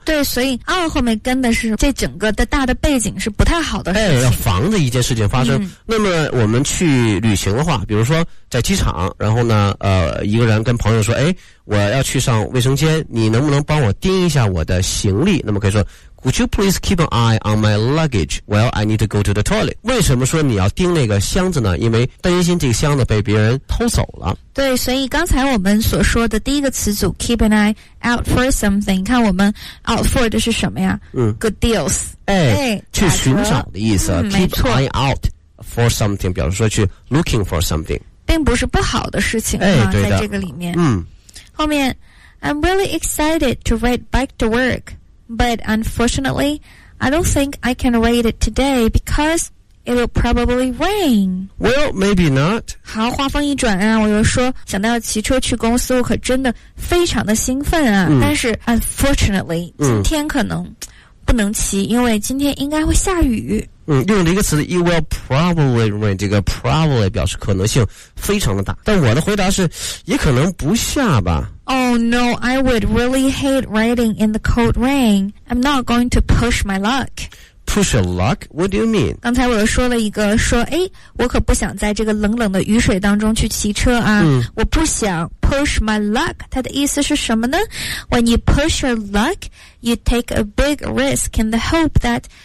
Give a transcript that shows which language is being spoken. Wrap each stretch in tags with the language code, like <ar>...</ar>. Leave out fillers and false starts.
<zh>对，所以二后面跟的是这整个的大的背景是不太好的事情，要防着一件事情发生。那么我们去旅行的话，比如说在机场，然后呢一个人跟朋友说，诶，我要去上卫生间，你能不能帮我盯一下我的行李。那么可以说</zh> <en>Would you please keep an eye on my luggage? Well, I need to go to the toilet.</en> <zh>为什么说你要盯那个箱子呢？因为担心这个箱子被别人偷走了。对，所以刚才我们所说的第一个词组</zh> <en>keep an eye out for something，</en> <zh>看我们 out for 的是什么呀？</zh> <en>Good deals，</en> <zh>去寻找的意思。</zh> <en>Keep an eye out for something</en> <zh>表示说去</zh> <en>looking for something，</en> <zh>并不是不好的事情。哎，对的，在这个里面，后面</zh> <en>I'm really excited to ride bike to work. But unfortunately, I don't think I can ride it today because it will probably rain. Well, maybe not.</en> <zh>好，话锋一转啊，我又说想到骑车去公司，我可真的非常的兴奋啊。但是 unfortunately, 今天可能不能骑，因为今天应该会下雨。用了一个词 ,</zh> <en>it will probably rain,</en> <zh>这个 probably 表示可能性非常的大。但我的回答是也可能不下吧。</zh> <en>Oh no, I would really hate riding in the cold rain. I'm not going to push my luck. Push your luck? What do you mean?</en> <zh>刚才我又说了一个说，诶，我可不想在这个冷冷的雨水当中去骑车啊。我不想</zh> <en>push my luck.</en> <zh>它的意思是什么呢？</zh> <en>When you push your luck, you take a big risk in the hope that...</en>